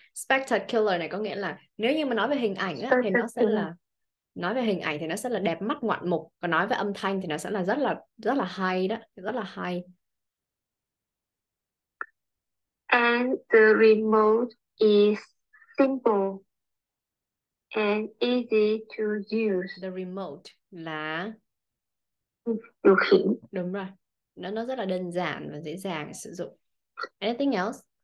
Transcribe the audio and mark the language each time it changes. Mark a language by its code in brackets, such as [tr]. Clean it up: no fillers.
[vi] Spectacular này có nghĩa là nếu như mà nói về hình ảnh á, thì nó sẽ [en] Spectacular. [vi] là nói về hình ảnh thì nó sẽ là đẹp mắt ngoạn mục, còn nói về âm thanh thì nó sẽ là rất là hay đó, rất là hay. [en] And the remote is simple and easy to use. The remote là [vi] Điều khiển. đúng rồi, nó rất là đơn giản và dễ dàng để sử dụng. Anything else?